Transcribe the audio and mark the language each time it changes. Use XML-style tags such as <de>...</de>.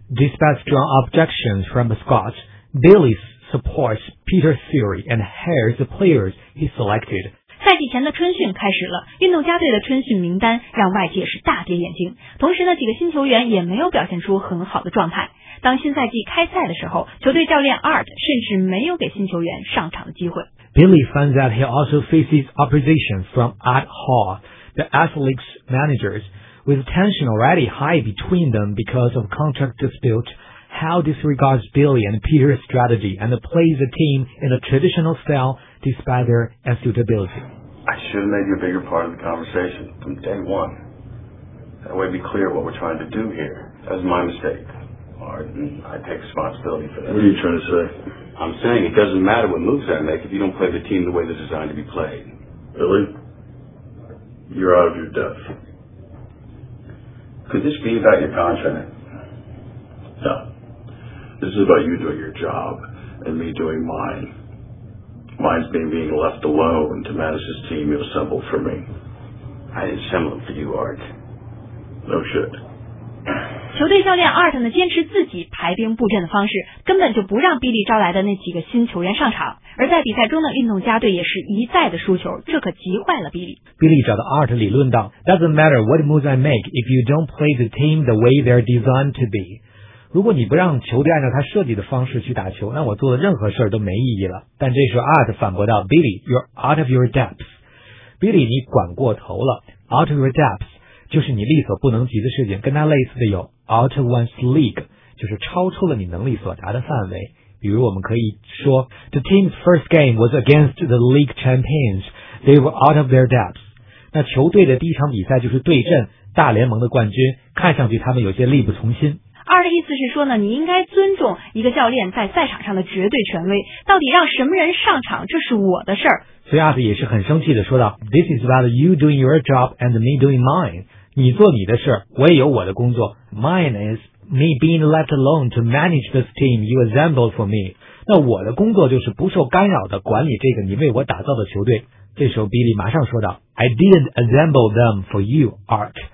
<en>Despite strong objections from Scott, Billy supports Peter's theory and hires the players he selected。</en> <zh>赛季前的春训开始了，运动家队的春训名单让外界是大跌眼镜，同时呢，几个新球员也没有表现出很好的状态。当新赛季开赛的时候，球队教练 Art 甚至没有给新球员上场的机会。</zh> <en>Billy finds that he also faces opposition from Art Hall, the Athletics managers, with tension already high between them because of contract dispute. How disregards Billy and Peter's strategy and plays the team in a traditional style despite their unsuitability. I should have made you a bigger part of the conversation from day one. That way it'd be clear what we're trying to do here. That was my mistake, Art, and I take responsibility for that. What are you trying to say? I'm saying it doesn't matter what moves I make if you don't play the team the way they're designed to be played. Billy, you're out of your depth. Could this be about your contract? No. This is about you doing your job and me doing mine. Mine's been being left alone to manage this team you assembled for me. I didn't assemble it for you, Art. No shit.</en> <zh>球队教练 Art 呢，坚持自己排兵布阵的方式，根本就不让 Billy 招来的那几个新球员上场。而在比赛中呢，运动家队也是一再的输球，这可急坏了 Billy。</zh> <en>Billy</en> <zh>找到</zh> <en>Art</en> <zh>理论道</zh> <en>：“Doesn't matter what moves I make if you don't play the team the way they're designed to be。</en> <zh>如果你不让球队按照他设计的方式去打球，那我做的任何事都没意义了。” 但这时 Art 反驳道 ：</zh> <en>“Billy, you're out of your depth。</en> <zh>Billy， 你管过头了 ，</zh> <en>out of your depth。”</en> <zh>就是你力所不能及的事情，跟它类似的有</zh> <en>out of one's league，</en> <zh>就是超出了你能力所达的范围。比如我们可以说</zh> <en>The team's first game was against the league champions. They were out of their depth.</en> <zh>那球队的第一场比赛就是对阵大联盟的冠军，看上去他们有些力不从心。二的意思是说呢，你应该尊重一个教练在赛场上的绝对权威，到底让什么人上场，这是我的事儿。所以阿斯也是很生气的说道</zh> <en>This is about you doing your job and me doing mine.</en> <zh>你做你的事，我也有我的工作。</zh> <en>Mine is me being left alone to manage this team you assembled for me.</en> <zh>那我的工作就是不受干扰的管理这个你为我打造的球队。这时候</zh> <en>Billy</en> <zh>马上说道</zh> <en>I didn't assemble them for you, Art.</en>